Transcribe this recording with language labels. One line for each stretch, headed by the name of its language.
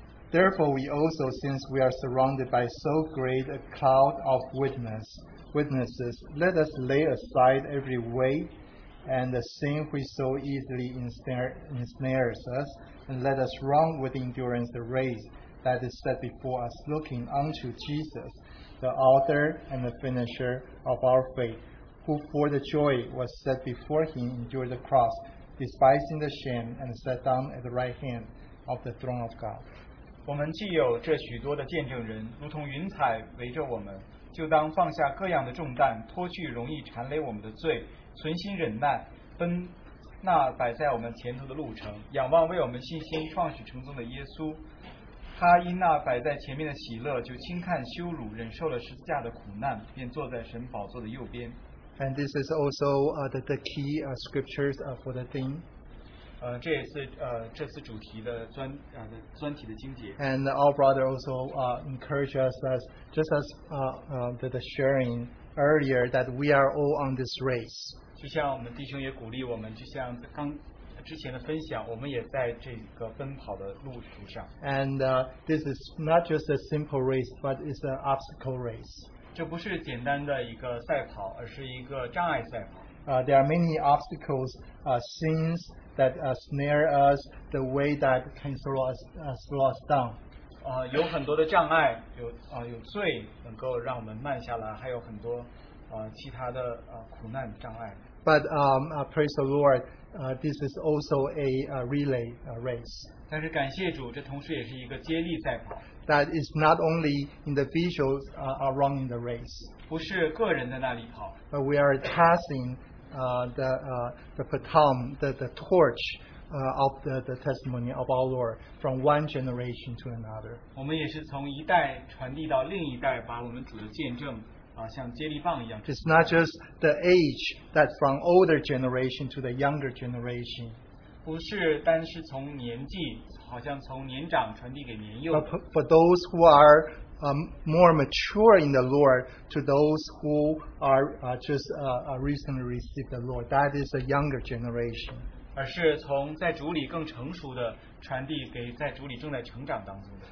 English: Therefore, we also, since we are surrounded by so great a cloud of witnesses, let us lay aside every weight and the sin which so easily ensnares us, and let us run with endurance the race that is set before us, looking unto Jesus. The author and the finisher of our faith, who for the joy was set before him endured the cross, despising the shame, and sat down at the right hand of the throne of God.
Chinese: 我们既有这许多的见证人，如同云彩围着我们，就当放下各样的重担，脱去容易缠累我们的罪，存心忍耐，奔那摆在我们前头的路程，仰望为我们信心创始成宗的耶稣。他因那摆在前面的喜乐，就轻看羞辱，忍受了十字架的苦难，便坐在神宝座的右边。
English: And this is also the key scriptures for the theme.
Chinese: 这也是这次主题的专题的经节。
English: And our brother also encouraged us as just as the sharing earlier that we are all on this race.
Chinese: 就像我们弟兄也鼓励我们，就像刚。之前的分享，我们也在这个奔跑的路途上。
English: And this is not just a simple race, but it's an obstacle race.
Chinese: 这不是简单的一个赛跑，而是一个障碍赛跑。
English: There are many obstacles, sins that snare us, the way that can slow us down.
Chinese: 有很多的障碍，有罪能够让我们慢下来，还有很多其他的苦难障碍。
English: But praise the Lord. This is also a relay race.
Chinese: 但是感谢主，这同时也是一个接力赛跑。
English: That is not only individuals are running the race.
Chinese: 不是个人在那里跑。
English: But we are passing the baton, the torch of the testimony of our Lord from one generation to another.
Chinese: 我们也是从一代传递到另一代，把我们主的见证。
English: It's not just the age that from older generation to the younger generation.
Chinese: 不是单是从年纪，好像从年长传递给年幼。
English: But those who are more mature in the Lord to those who are recently received the Lord, that is a younger generation.
Chinese: 而是从在主里更成熟的传递给在主里正在成长当中的。